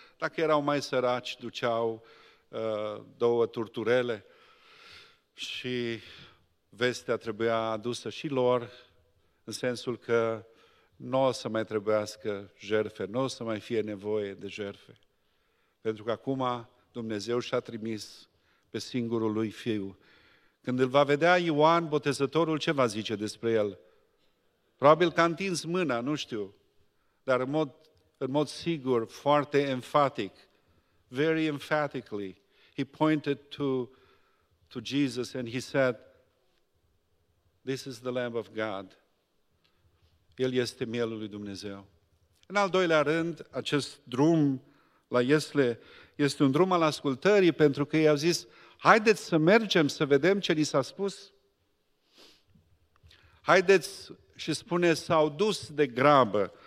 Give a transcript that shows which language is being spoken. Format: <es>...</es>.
<ro>Dacă erau mai săraci, duceau două turturele și vestea trebuia adusă și lor, în sensul că nu o să mai trebuiască jertfe, nu o să mai fie nevoie de jertfe. Pentru că acum Dumnezeu și-a trimis pe singurul lui Fiu. Când îl va vedea Ioan Botezătorul, ce va zice despre el? Probabil că a întins mâna, nu știu. Dar în mod sigur, foarte emphatic,</ro> <en>very emphatically, he pointed to Jesus and he said, "This is the Lamb of God."</en> <ro>El este mielul lui Dumnezeu. În al doilea rând, acest drum la iesle este un drum al ascultării, pentru că ei au zis: haideți să mergem să vedem ce ni s-a spus. Haideți, și spune, s-au dus de grabă.</ro>